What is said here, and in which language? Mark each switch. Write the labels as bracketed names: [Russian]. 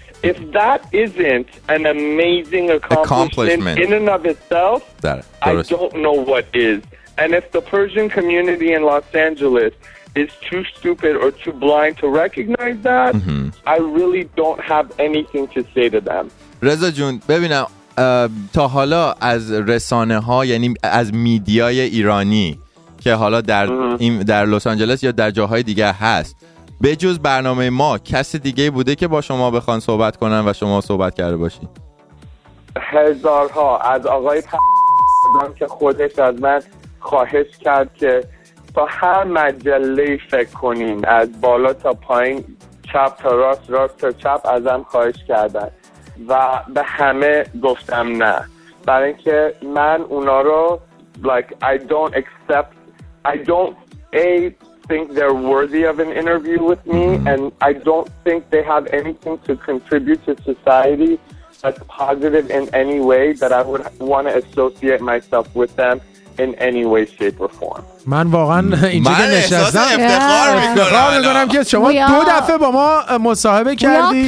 [English] If that isn't an amazing accomplishment in and of itself, I don't know what is. And if the Persian community in Los Angeles is too stupid or too blind to recognize that, I really don't have anything to say to them. [Persian] رضا جون ببینم، تا حالا از رسانه ها، یعنی از میدیای ایرانی که حالا در این در لس آنجلس یا در جاهای دیگه هست، به جز برنامه ما کس دیگه بوده که با شما بخوان صحبت کنن و شما صحبت کرده باشی؟ هزارها. از آقای پردام که خودش از من خواهش کرد که تا هر مجله فکر کنین، از بالا تا پایین، چپ تا راست، راست تا چپ، ازم خواهش کردن و به همه گفتم نه. برای اینکه من اونا رو [English] like I don't think they're worthy of an interview with me. And I don't think they have anything to contribute to society that's positive in any way that I would want to associate myself with them in any way, shape or form. [Persian] من واقعا اینجوری که نشستم افتخار میکنم میگم که شما دو دفعه با ما مصاحبه کردی.